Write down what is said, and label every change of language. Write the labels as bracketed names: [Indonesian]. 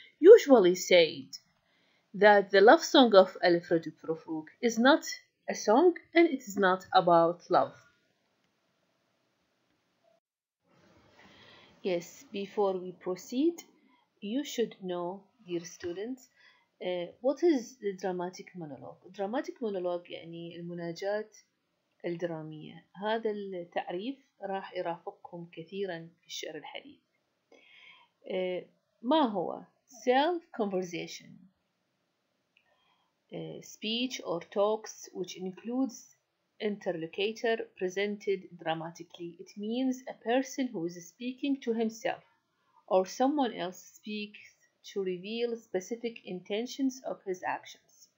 [English] Usually said that the love song of Alfred Prufrock is not a song and it is not about love. Yes, before we proceed, you should know, dear students, what is the dramatic monologue? [Arabic] Dramatic monologue يعني المناجات الدرامية. هذا التعريف راح يرافقكم كثيرا في الشعر الحديث. ما هو [English] self conversation, speech or talks which includes interlocutor presented dramatically. It means a person who is speaking to himself or someone else speaks to reveal specific intentions of his actions.